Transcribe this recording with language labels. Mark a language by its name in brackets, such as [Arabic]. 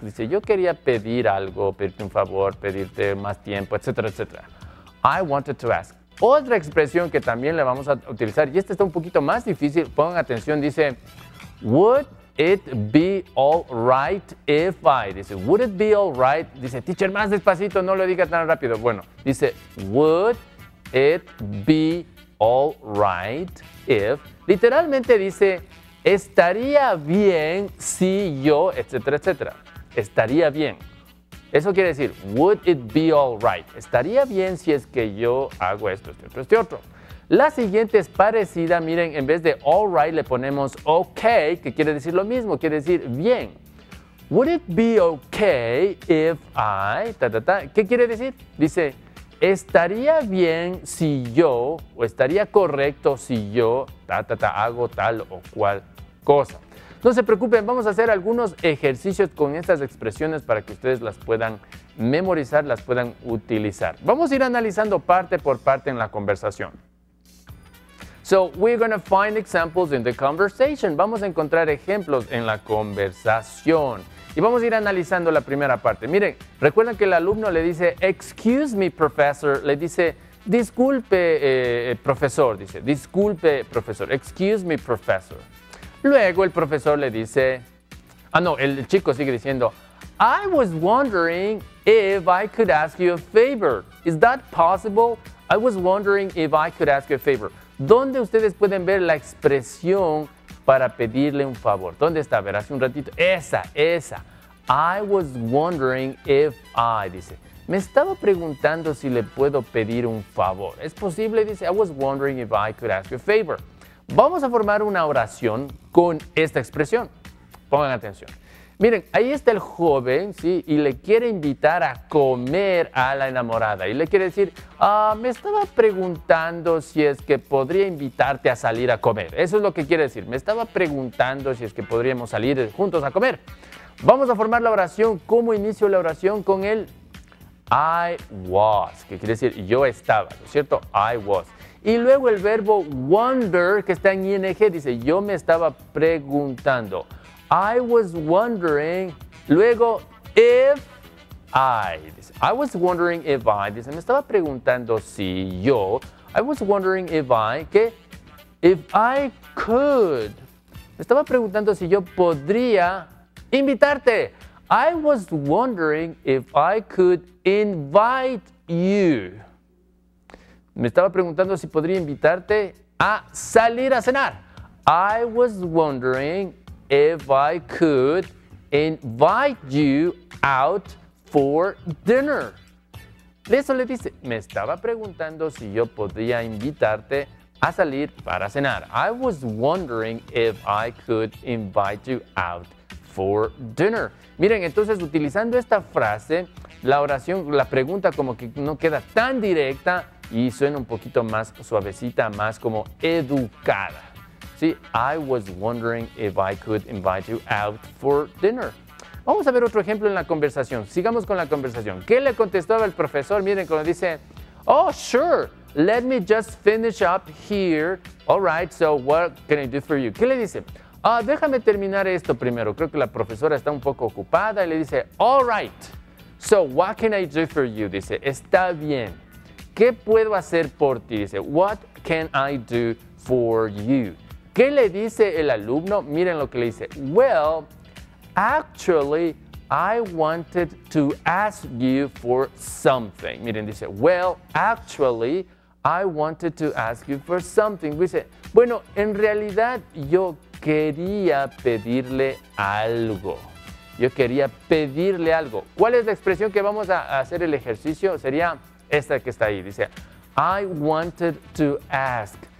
[Spanish] Dice, yo quería pedir algo, pedirte un favor, pedirte más tiempo, etcétera, etcétera. [English] I wanted to ask. [Spanish] Otra expresión que también le vamos a utilizar, y esta está un poquito más difícil, pongan atención, dice, [English] would it be all right if I? Dice, would it be all right? [Spanish] Dice, teacher, más despacito, no lo diga tan rápido. Bueno, dice, [English] would it be all right if? [Spanish] Literalmente dice, estaría bien si yo, etcétera, etcétera. Estaría bien. Eso quiere decir, [English] would it be all right? [Spanish] Estaría bien si es que yo hago esto, este otro, este otro. La siguiente es parecida, miren, en vez de all right le ponemos okay, que quiere decir lo mismo, quiere decir bien. [English] Would it be okay if I, [Spanish] ta, ta, ta, ¿qué quiere decir? Dice, estaría bien si yo, o estaría correcto si yo, ta, ta, ta, hago tal o cual cosa. No se preocupen, vamos a hacer algunos ejercicios con estas expresiones para que ustedes las puedan memorizar, las puedan utilizar. Vamos a ir analizando parte por parte en la conversación. [English] So, we're going to find examples in the conversation. [Spanish] Vamos a encontrar ejemplos en la conversación. Y vamos a ir analizando la primera parte. Miren, recuerden que el alumno le dice, [English] excuse me, professor. [Spanish] Le dice, disculpe, profesor. Dice, disculpe, profesor. [English] Excuse me, professor. [Spanish] Luego el profesor le dice, ah, no, el chico sigue diciendo, [English] I was wondering if I could ask you a favor. Is that possible? I was wondering if I could ask you a favor. [Spanish] ¿Dónde ustedes pueden ver la expresión para pedirle un favor? ¿Dónde está? A ver, hace un ratito. Esa, esa. [English] I was wondering if I, [Spanish] dice. Me estaba preguntando si le puedo pedir un favor. ¿Es posible? Dice, [English] I was wondering if I could ask you a favor. [Spanish] Vamos a formar una oración con esta expresión. Pongan atención. Miren, ahí está el joven, ¿sí? Y le quiere invitar a comer a la enamorada. Y le quiere decir, me estaba preguntando si es que podría invitarte a salir a comer. Eso es lo que quiere decir. Me estaba preguntando si es que podríamos salir juntos a comer. Vamos a formar la oración. ¿Cómo inicio la oración? Con el [English] I was, [Spanish] que quiere decir yo estaba, ¿no es cierto? [English] I was. [Spanish] Y luego el verbo wonder, que está en ING, dice yo me estaba preguntando. [English] I was wondering, [Spanish] luego, [English] if I, dice, I was wondering if I, [Spanish] dice, me estaba preguntando si yo, [English] I was wondering if I, [Spanish] que, [English] if I could, [Spanish] me estaba preguntando si yo podría invitarte. [English] I was wondering if I could invite you. [Spanish] Me estaba preguntando si podría invitarte a salir a cenar. [English] I was wondering if I could invite you out for dinner. [Spanish] Eso le dice, me estaba preguntando si yo podría invitarte a salir para cenar. [English] I was wondering if I could invite you out for dinner. [Spanish] Miren, entonces, utilizando esta frase, la oración, la pregunta como que no queda tan directa y suena un poquito más suavecita, más como educada. Sí, [English] I was wondering if I could invite you out for dinner. [Spanish] Vamos a ver otro ejemplo en la conversación. Sigamos con la conversación. ¿Qué le contestó el profesor? Miren, cuando dice, [English] oh, sure, let me just finish up here. All right, so what can I do for you? [Spanish] ¿Qué le dice? Ah, déjame terminar esto primero. Creo que la profesora está un poco ocupada y le dice, [English] all right, so what can I do for you? [Spanish] Dice, está bien. ¿Qué puedo hacer por ti? Dice, [English] what can I do for you? [Spanish] ¿Qué le dice el alumno? Miren lo que le dice. [English] Well, actually, I wanted to ask you for something. [Spanish] Miren, dice, [English] well, actually, I wanted to ask you for something. [Spanish] Dice, bueno, en realidad, yo quería pedirle algo. Yo quería pedirle algo. ¿Cuál es la expresión que vamos a hacer el ejercicio? Sería esta que está ahí. Dice, [English] I wanted to ask.